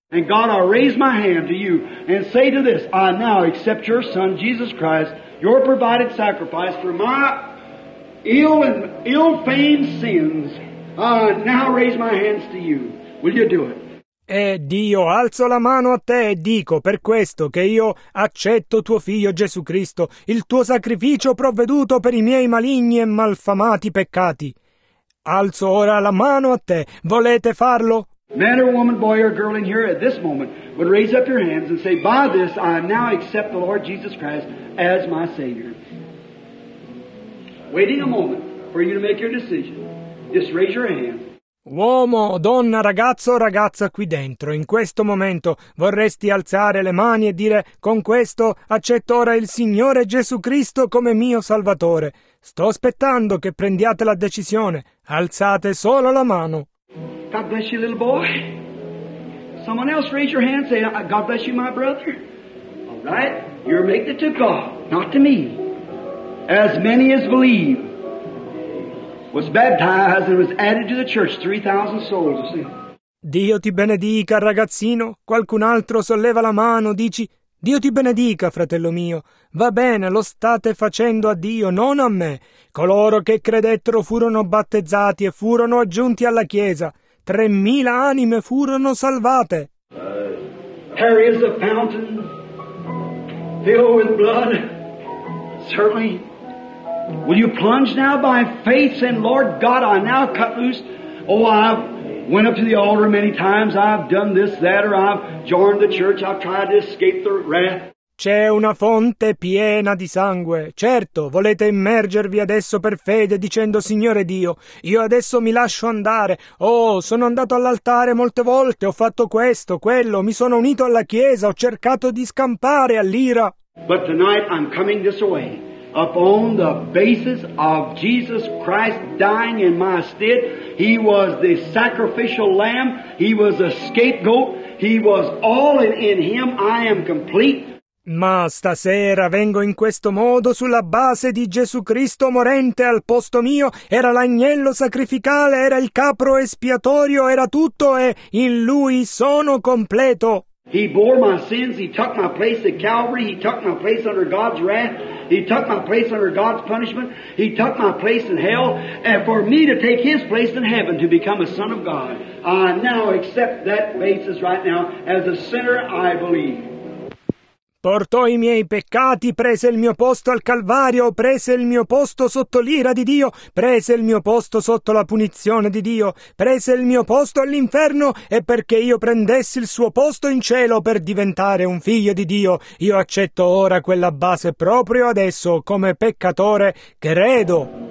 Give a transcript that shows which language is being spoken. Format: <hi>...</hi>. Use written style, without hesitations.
<en>And God, I raise my hand to you and say to this, I now accept your Son, Jesus Christ, your provided sacrifice for my ill-famed sins. I now raise my hands to you. Will you do it?</en> <it>E Dio, alzo la mano a te e dico per questo che io accetto tuo figlio Gesù Cristo, il tuo sacrificio provveduto per i miei maligni e malfamati peccati. Alzo ora la mano a te. Volete farlo?</it> <en>Man or woman, boy or girl in here at this moment would raise up your hands and say, by this I now accept the Lord Jesus Christ as my Savior. Waiting a moment for you to make your decision. Just raise your hand.</en> <it>Uomo, donna, ragazzo o ragazza qui dentro, in questo momento vorresti alzare le mani e dire con questo accetto ora il Signore Gesù Cristo come mio Salvatore. Sto aspettando che prendiate la decisione. Alzate solo la mano.</it> <en>God bless you, little boy. Someone else raise your hand, say, God bless you, my brother. All right, you're making it to God, not to me. As many as believe. Was baptized and was added to the church 3,000 souls.</en> <it>Dio ti benedica, ragazzino. Qualcun altro solleva la mano, dici, Dio ti benedica, fratello mio. Va bene, lo state facendo a Dio, non a me. Coloro che credettero furono battezzati e furono aggiunti alla Chiesa. 3,000 anime furono salvate.</it> <en>Here is a fountain filled with blood. Certainly. Will you plunge now by faith, saying, Lord God, I now cut loose. Oh, I've went up to the altar many times, I've done this, that, or I've joined the church, I've tried to escape the wrath.</en> <it>C'è una fonte piena di sangue. Certo, volete immergervi adesso per fede dicendo, Signore Dio, io adesso mi lascio andare. Oh, sono andato all'altare molte volte, ho fatto questo, quello, mi sono unito alla Chiesa, ho cercato di scampare all'ira.</it> <en>But tonight I'm coming this way. Upon the basis of Jesus Christ dying in my stead, he was the sacrificial lamb, he was a scapegoat, he was all in him, I am complete.</en> <it>Ma stasera vengo in questo modo sulla base di Gesù Cristo morente al posto mio, era l'agnello sacrificale, era il capro espiatorio, era tutto e in lui sono completo.</it> <en>He bore my sins, he took my place at Calvary, he took my place under God's wrath, he took my place under God's punishment, he took my place in hell, and for me to take his place in heaven to become a son of God, I now accept that basis right now. As a sinner, I believe.</en> <it>Portò i miei peccati, prese il mio posto al Calvario, prese il mio posto sotto l'ira di Dio, prese il mio posto sotto la punizione di Dio, prese il mio posto all'inferno, e perché io prendessi il suo posto in cielo per diventare un figlio di Dio, io accetto ora quella base proprio adesso come peccatore, credo.</it>